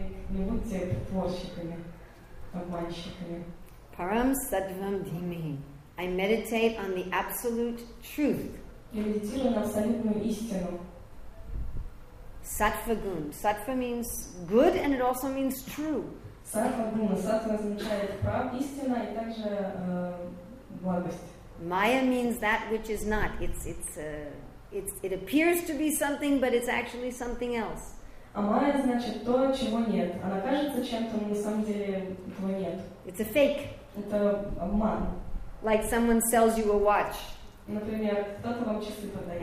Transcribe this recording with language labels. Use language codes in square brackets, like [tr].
[ru] Не будьте творщиками, обманщиками. [sa] Param sattvam dhimihi. [en] I meditate on the absolute truth. [ru] Я медитирую на абсолютную истину. [sa] Sattvagun. [en] Sattva means good and it also means true. [sa] Sattvaguna. [ru] Sattva означает прав, истина и также благость. [en] Maya means that which is not. It appears to be something, but it's actually something else. [ru] А майя значит то, чего нет. Она кажется чем-то, но на самом деле этого нет. [en] It's a fake. [ru] Это обман. [en] Like someone sells you a watch. [ru] Например, кто-то вам часы продает.